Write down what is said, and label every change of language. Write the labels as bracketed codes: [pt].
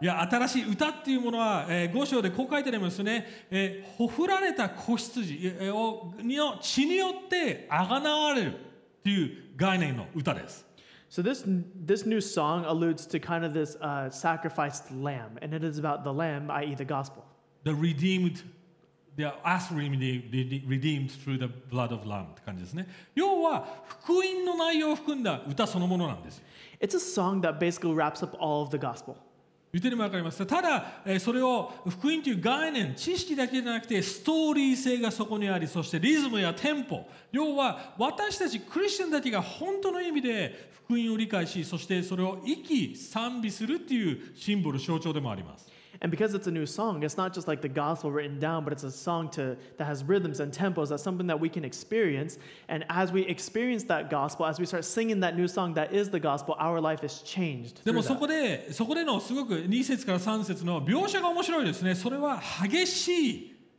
[ja] いや、新しい歌っていうものは5章でこう書いてありますね。ほふられた子羊を血によって贖われるという概念の歌です。 [en] So this new song alludes to kind of this sacrificed lamb, and it is about the lamb, i.e. the gospel. The redeemed, the us redeemed through the blood of Lamb [ja] って感じですね。要は福音の内容を含んだ歌そのものなんです。 [en] It's a song that basically wraps up all of the gospel. [ja] 言ってるのも分かります。ただそれを福音という概念、知識だけじゃなくてストーリー性がそこにあり、そしてリズムやテンポ。要は私たちクリスチャンたちが本当の意味で福音を理解し、そしてそれを生き賛美するっていうシンボル、象徴でもあります。 [en] And because it's a new song, it's not just like the gospel written down, but it's a song to, that has rhythms and tempos. That's something that we can experience. And as we experience that gospel, as we start singing that new song that is the gospel, our life is changed. [ja] でもそこでのすごく2節から3節の描写が面白いですね。それは激しい